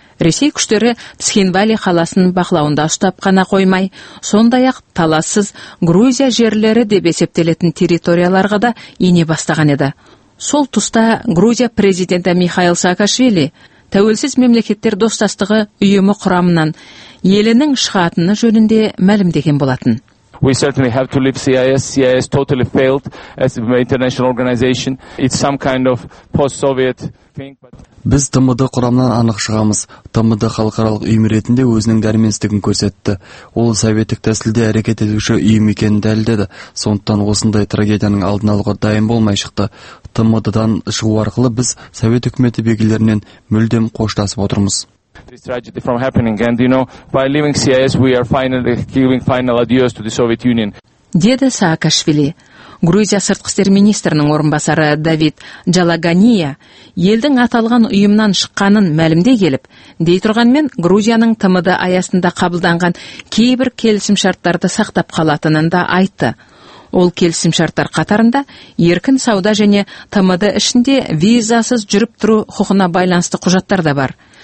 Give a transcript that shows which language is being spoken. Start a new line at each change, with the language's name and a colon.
Kazakh: Ресей күштері Цхинвали қаласын бақылауында ұстап қана қоймай, сондай-ақ талассыз Грузия жерлері деп есептелетін территорияларға да ене бастаған еді. Сол тұста Грузия президенті Михаил Саакашвили тәуелсіз мемлекеттер достастығы ұйымы құрамынан елінің шығатыны жөнінде мәлімдеген болатын.
English: We certainly have to leave CIS. CIS totally failed as an international organization. It's some kind of post-Soviet thing.
Kazakh: Біз ТМД құрамынан анық шығамыз. ТМД халықаралық ұйым ретінде өзінің дәрменсіздігін көрсетті. Ол советтік тәсілде әрекет етуші ұйым екенін дәлелдеді. Сондықтан осындай трагедияның алдын алуға дайын болмай шықты. ТМД-дан шығу арқылы біз совет үкіметі белгілерінен мүлдем қоштасып отырмыз.
English: This tragedy from happening, and you know, by leaving CIS, we are finally giving final adios to the Soviet Union.
Kazakh: Деді Саакашвили. Грузия сыртқы істер министрінің орынбасары Давид Джалагания елдің аталған ұйымнан шыққанын мәлімде келіп, дей тұрғанмен Грузияның ТМД аясында қабылданған кейбір келісім шарттарды сақтап қалатынын да айтты. Ол келісім шарттар қатарында еркін сауда және ТМД ішінде визасыз жүріп тұру құқына байланысты құжаттар да бар.